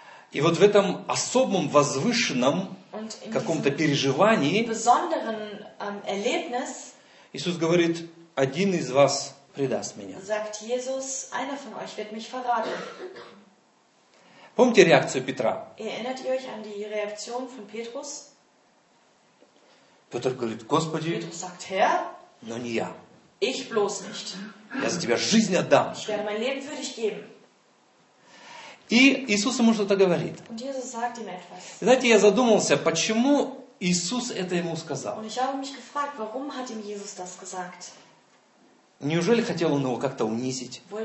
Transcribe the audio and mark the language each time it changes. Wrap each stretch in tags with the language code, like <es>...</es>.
<ru>И вот в этом особом, возвышенном каком-то переживании Иисус говорит, один из вас предаст меня.</ru> <de>Sagt Jesus, einer von euch wird mich verraten.</de> <ru>Помните реакцию Петра?</ru> <de>Erinnert ihr euch an die Reaktion von Petrus?</de> <ru>Петр говорит, Господи,</ru> <de>Petrus sagt, Herr,</de> <ru>но не я.</ru> <de>Ich bloß nicht.</de> <ru>Я за тебя жизнь отдам.</ru> <de>Ich werde mein Leben für dich geben.</de> <ru>И Иисус ему что-то говорит.</ru> <de>Und Jesus sagt ihm etwas.</de> <ru>Знаете, я задумался, почему Иисус это ему сказал?</ru> <de>Und ich habe mich gefragt, warum hat ihm Jesus das gesagt?</de> <ru>Неужели хотел он его как-то унизить?</ru>